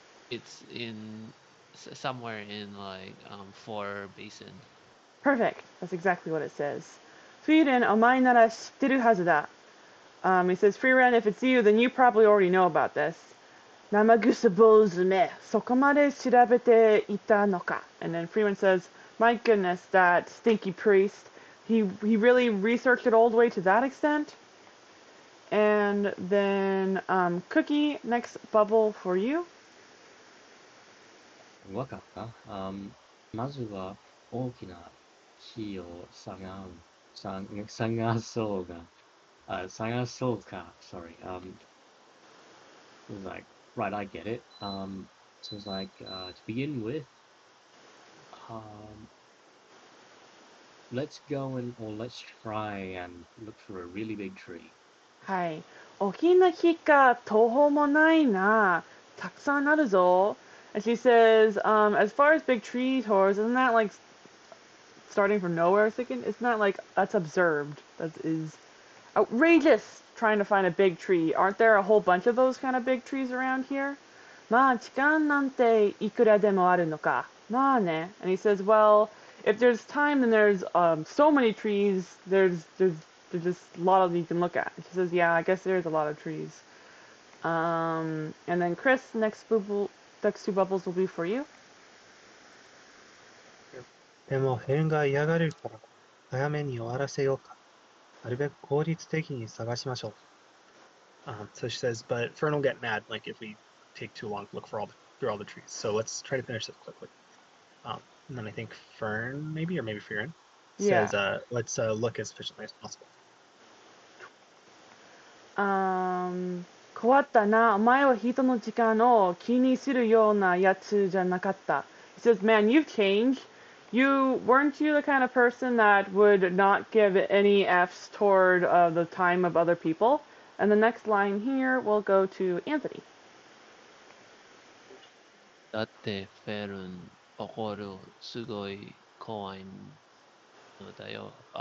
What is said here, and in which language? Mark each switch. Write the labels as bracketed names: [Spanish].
[English] It's in somewhere in like four basin. Perfect. That's exactly what it says. Frieren, [Japanese] お前なら知ってるはずだ. [English] It says Frieren, if it's you, then you probably already know about this. [Japanese] 生臭坊主め、そこまで調べていたのか. [English] And then Frieren says, my goodness, that stinky priest. He really researched it all the way to that extent. And then, Cookie, next bubble for you. [Japanese] わかった。まずは大きな木を探そうか。 [English] Sorry. It was like, right, I get it. So it's like, to begin with, let's go and, or let's try and look for a really big tree. [Japanese] はい、大きな木か途方もないな。たくさんあるぞ。 [English] And she says, as far as big tree tours, isn't that like starting from nowhere? Second, isn't that like that's absurd? That is outrageous. Trying to find a big tree. Aren't there a whole bunch of those kind of big trees around here? [Japanese] まあ、時間なんていくらでもあるのか。まあね。 [English] And he says, well, if there's time, then there's so many trees. There's just a lot of them you can look at. She says, yeah, I guess there's a lot of trees. And then Chris, next two bubbles will be for you. [Japanese] でも変が嫌がれるから早めに終わらせようか。なるべく効率的に探しましょう。 [English] So she says, but Fern will get mad like if we take too long to look through all the trees. So let's try to finish this quickly. And then I think Fern, maybe, or maybe Fern, says, let's look as efficiently as possible. [Japanese] 変わったな。お前は人の時間を気にするようなやつじゃなかった。 [English] He says, man, you've changed. You, weren't you the kind of person that would not give any Fs toward the time of other people? And the next line here will go to Anthony. [Japanese] だってフェルン怒るすごい怖いのだよ。